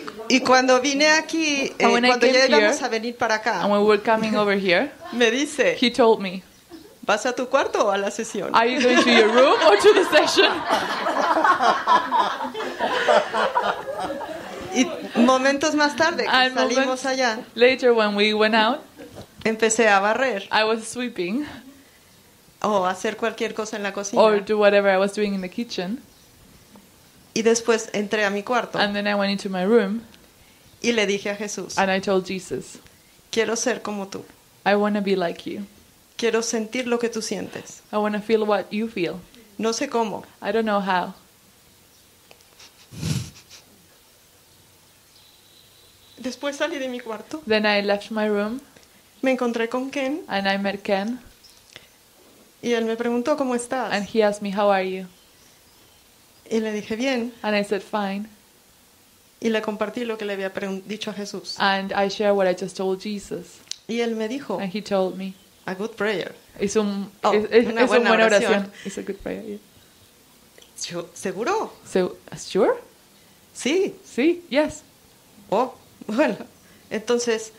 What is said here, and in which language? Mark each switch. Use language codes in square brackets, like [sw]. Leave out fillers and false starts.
[es] Y cuando vine aquí, cuando ya íbamos a venir para acá, [en] and when we were coming over here, [es] me dice, [en] he told me, [es] ¿vas a tu cuarto o a la sesión? [en] Are you going to your room or to the session? [es] Y momentos más tarde, que salimos allá, [en] later when we went out. [es] Empecé a barrer. [en] I was sweeping. [es] O hacer cualquier cosa en la cocina. [en] Or do whatever I was doing in the kitchen. [es] Y después entré a mi cuarto. [en] And then I went into my room. [es] Y le dije a Jesús. [en] And I told Jesus. [es] Quiero ser como tú. [en] I want to be like you. [es] Quiero sentir lo que tú sientes. [en] I want to feel what you feel. [es] No sé cómo. [en] I don't know how. [es] Después salí de mi cuarto. [en] Then I left my room. [es] Me encontré con Ken. [en] And I met Ken. [es] Y él me preguntó cómo estás. [en] And he asked me how are you. [es] Y le dije bien. [en] And I said fine. [es] Y le compartí lo que le había dicho a Jesús. [en] And I shared what I just told Jesus. [es] Y él me dijo. [en] And he told me. A good prayer. [es] Es una buena oración. [en] It's a good prayer. Yeah. [es] ¿Seguro? [en] So, sure? [es] Sí. Sí. Yes. Oh, bueno. Entonces.